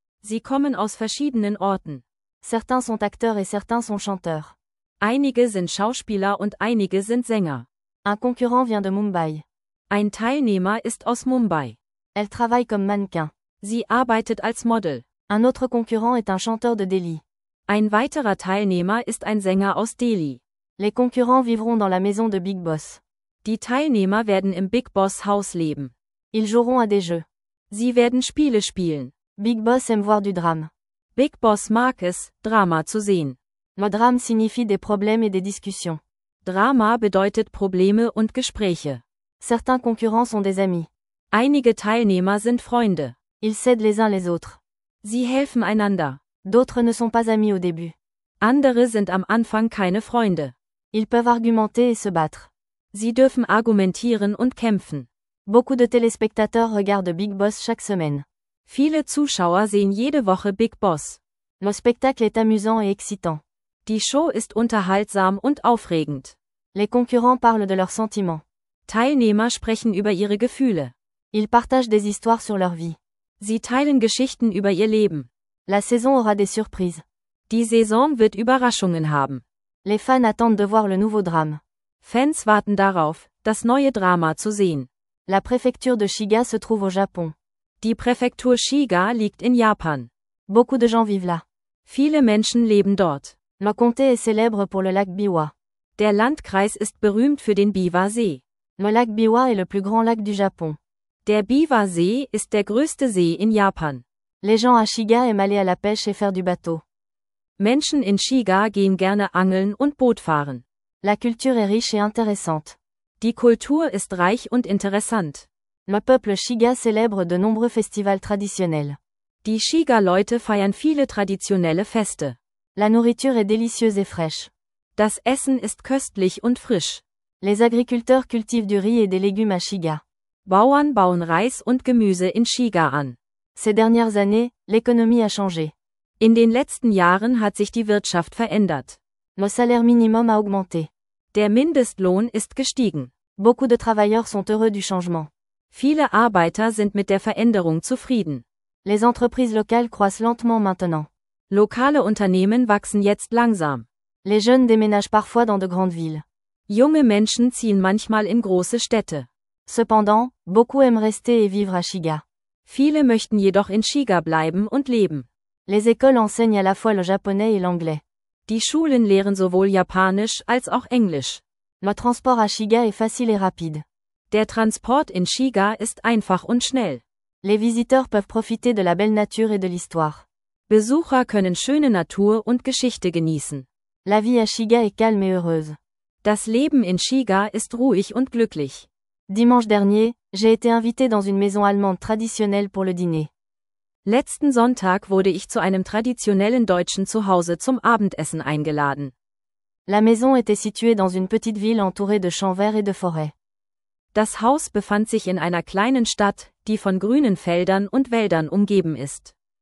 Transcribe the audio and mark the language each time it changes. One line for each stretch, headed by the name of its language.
German: Sie kommen aus verschiedenen Orten.
French: Certains sont acteurs et certains sont chanteurs.
German: Einige sind Schauspieler und einige sind Sänger.
French: Un concurrent vient de Mumbai.
German: Ein Teilnehmer ist aus Mumbai.
French: Elle travaille comme mannequin.
German: Sie arbeitet als Model.
French: Un autre concurrent est un chanteur de Delhi.
German: Ein weiterer Teilnehmer ist ein Sänger aus Delhi.
French: Les concurrents vivront dans la maison de Big Boss.
German: Die Teilnehmer werden im Big Boss Haus leben.
French: Ils joueront à des jeux.
German: Sie werden Spiele spielen.
French: Big Boss aime voir du drame.
German: Big Boss mag es, Drama zu sehen.
French: Le drame signifie des problèmes et des discussions.
German: Drama bedeutet Probleme und Gespräche.
French: Certains concurrents sont des amis.
German: Einige Teilnehmer sind Freunde.
French: Ils s'aident les uns les autres.
German: Sie helfen einander.
French: D'autres ne sont pas amis au début.
German: Andere sind am Anfang keine Freunde.
French: Ils peuvent argumenter et se battre.
German: Sie dürfen argumentieren und kämpfen.
French: Beaucoup de téléspectateurs regardent Big Boss chaque semaine.
German: Viele Zuschauer sehen jede Woche Big Boss.
French: Le spectacle est amusant et excitant.
German: Die Show ist unterhaltsam und aufregend.
French: Les concurrents parlent de leurs sentiments.
German: Teilnehmer sprechen über ihre Gefühle.
French: Ils partagent des histoires sur leur vie.
German: Sie teilen Geschichten über ihr Leben.
French: La saison aura des surprises.
German: Die Saison wird Überraschungen haben.
French: Les fans attendent de voir le nouveau drame.
German: Fans warten darauf, das neue Drama zu sehen.
French: La préfecture de Shiga se trouve au Japon.
German: Die Präfektur Shiga liegt in Japan.
French: Beaucoup de gens vivent là.
German: Viele Menschen leben dort.
French: Le comté est célèbre pour le lac Biwa.
German: Der Landkreis ist berühmt für den Biwa-See.
French: Le lac Biwa est le plus grand lac du Japon.
German: Der Biwa-See ist der größte See in Japan.
French: Les gens à Shiga aiment aller à la pêche et faire du bateau.
German: Menschen in Shiga gehen gerne angeln und Boot fahren.
French: La culture est riche et intéressante.
German: Die Kultur ist reich und interessant.
French: Le peuple Shiga célèbre de nombreux festivals traditionnels.
German: Die Shiga-Leute feiern viele traditionelle Feste.
French: La nourriture est délicieuse et fraîche.
German: Das Essen ist köstlich und frisch.
French: Les agriculteurs cultivent du riz et des légumes à Shiga.
German: Bauern bauen Reis und Gemüse in Shiga an.
French: Ces dernières années, l'économie a changé.
German: In den letzten Jahren hat sich die Wirtschaft verändert.
French: Le salaire minimum a augmenté.
German: Der Mindestlohn ist gestiegen.
French: Beaucoup de travailleurs sont heureux du changement.
German: Viele Arbeiter sind mit der Veränderung zufrieden.
French: Les entreprises locales croissent lentement maintenant.
German: Lokale Unternehmen wachsen jetzt langsam.
French: Les jeunes déménagent parfois dans de grandes villes.
German: Junge Menschen ziehen manchmal in große Städte.
French: Cependant, beaucoup aiment rester et vivre à Shiga.
German: Viele möchten jedoch in Shiga bleiben und leben.
French: Les écoles enseignent à la fois le japonais et l'anglais.
German: Die Schulen lehren sowohl Japanisch als auch Englisch.
French: Le transport à Shiga est facile et rapide.
German: Der Transport in Shiga ist einfach und schnell.
French: Les visiteurs peuvent profiter de la belle nature et de l'histoire.
German: Besucher können schöne Natur und Geschichte genießen.
French: La vie à Shiga est calme et heureuse.
German: Das Leben in Shiga ist ruhig und glücklich.
French: Dimanche dernier, j'ai été invité dans une maison allemande traditionnelle pour le dîner.
German: Letzten Sonntag wurde ich zu einem traditionellen deutschen Zuhause zum Abendessen eingeladen.
French: La maison était située dans une petite ville entourée de champs verts et de forêts.
German: Das Haus befand sich in einer kleinen Stadt, die von grünen Feldern und Wäldern umgeben ist.